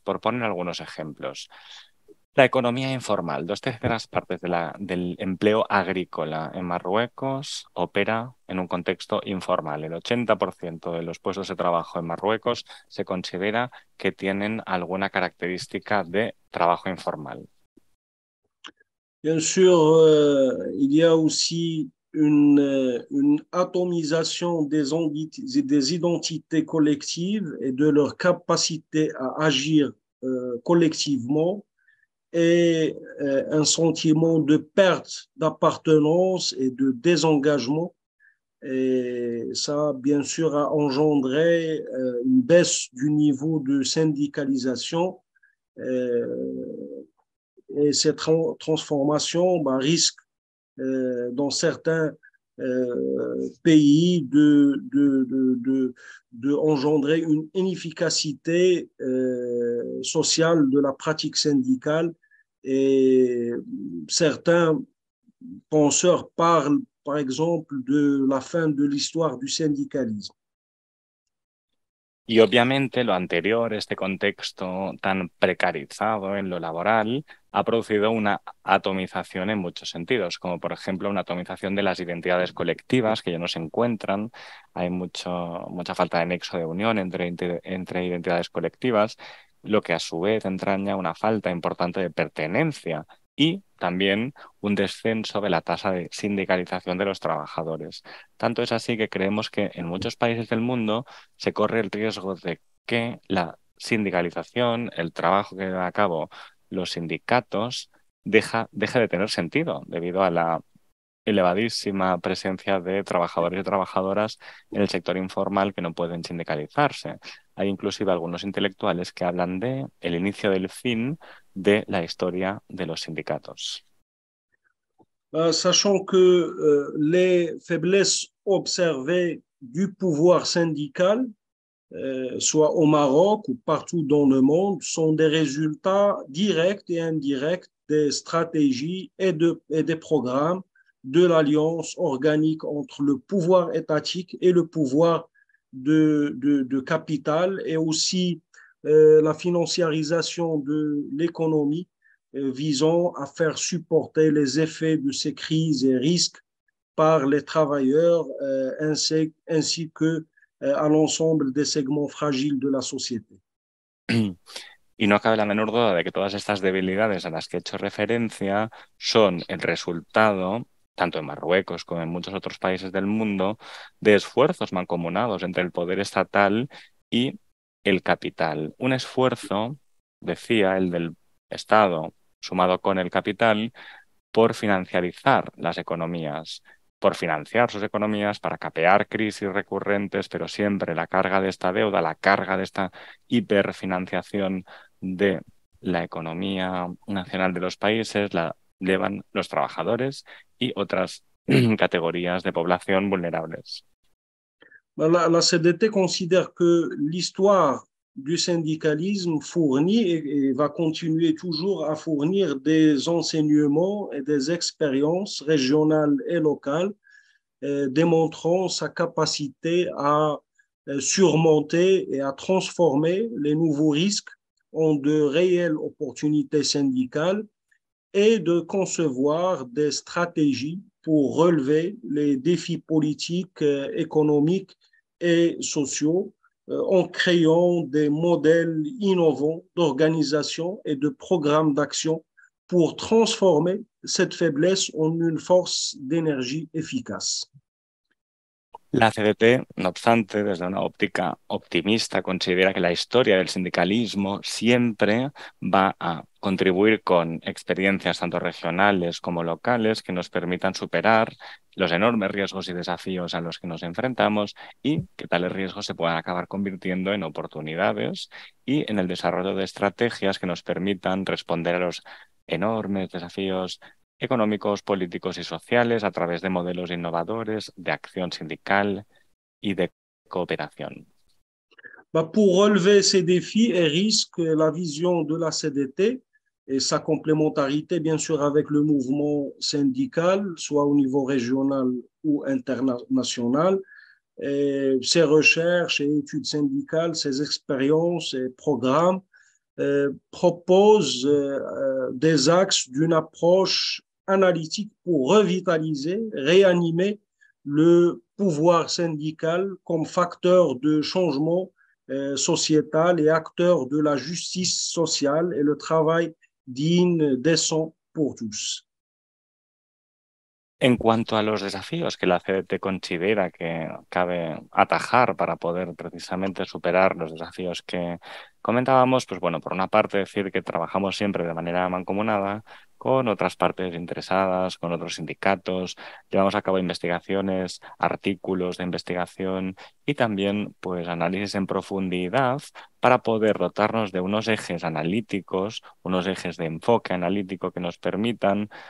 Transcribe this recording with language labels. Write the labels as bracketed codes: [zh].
[es] Por poner algunos ejemplos, la economía informal, 2/3 del empleo agrícola en Marruecos opera en un contexto informal. El 80% de los puestos de trabajo en Marruecos se considera que tienen alguna característica de trabajo informal. [fr] Bien sûr, il y a aussi une atomisation des identités collectives et de leur capacité à agir collectivement. Et un sentiment de perte d'appartenance et de désengagement. Et ça, bien sûr, a engendré une baisse du niveau de syndicalisation. Et cette transformation risque, dans certains pays, de engendrer une inefficacité sociale de la pratique syndicale. Et certains penseurs parlent, par exemple, de la fin de l'histoire du syndicalisme. [es] Y obviamente lo anterior, este contexto tan precarizado en lo laboral, ha producido una atomización en muchos sentidos, como por ejemplo una atomización de las identidades colectivas que ya no se encuentran. Hay mucha falta de nexo de unión entre identidades colectivas, lo que a su vez entraña una falta importante de pertenencia y también un descenso de la tasa de sindicalización de los trabajadores. Tanto es así que creemos que en muchos países del mundo se corre el riesgo de que la sindicalización, el trabajo que llevan a cabo los sindicatos, deje de tener sentido debido a la elevadísima presencia de trabajadores y trabajadoras en el sector informal que no pueden sindicalizarse. Hay inclusive algunos intelectuales que hablan de el inicio del fin de la historia de los sindicatos. [fr] Sachant que les faiblesses observées du pouvoir syndical, soit au Maroc ou partout dans le monde, sont des résultats directs et indirects des stratégies et des programmes de l'alliance organique entre le pouvoir étatique et le pouvoir de capital, et aussi la financiarisation de l'économie visant à faire supporter les effets de ces crises et risques par les travailleurs ainsi que à l'ensemble des segments fragiles de la société. [es] Y no cabe la menor duda de que todas estas debilidades a las que he hecho referencia son el resultado, tanto en Marruecos como en muchos otros países del mundo, de esfuerzos mancomunados entre el poder estatal y el capital. Un esfuerzo, decía, el del Estado, sumado con el capital, por financiarizar las economías, por financiar sus economías, para capear crisis recurrentes, pero siempre la carga de esta deuda, la carga de esta hiperfinanciación de la economía nacional de los países, la llevan los trabajadores y otras categorías de población vulnerables. [fr] La CDT considère que l'histoire du syndicalisme fournit et va continuer toujours à fournir des enseignements et des expériences régionales et locales démontrant sa capacité à surmonter et à transformer les nouveaux risques en de réelles opportunités syndicales et de concevoir des stratégies pour relever les défis politiques, économiques et sociaux en créant des modèles innovants d'organisation et de programmes d'action pour transformer cette faiblesse en une force d'énergie efficace. [es] La CDT, no obstante, desde una óptica optimista, considera que la historia del sindicalismo siempre va a contribuir con experiencias tanto regionales como locales que nos permitan superar los enormes riesgos y desafíos a los que nos enfrentamos y que tales riesgos se puedan acabar convirtiendo en oportunidades y en el desarrollo de estrategias que nos permitan responder a los enormes desafíos económicos, políticos y sociales a través de modelos innovadores de acción sindical y de cooperación. [fr] Pour relever ces défis et risques, la vision de la CDT et sa complémentarité, bien sûr, avec le mouvement syndical, soit au niveau régional ou international, ses recherches et études syndicales, ses expériences et programmes proposent des axes d'une approche analytique pour revitaliser, réanimer le pouvoir syndical comme facteur de changement sociétal et acteur de la justice sociale et le travail digne, décent pour tous. [es] En cuanto a los desafíos que la CDT considera que cabe atajar para poder precisamente superar los desafíos que comentábamos, pues bueno, por una parte decir que trabajamos siempre de manera mancomunada con otras partes interesadas, con otros sindicatos, llevamos a cabo investigaciones, artículos de investigación y también pues análisis en profundidad para poder dotarnos de unos ejes analíticos, unos ejes de enfoque analítico que nos permitan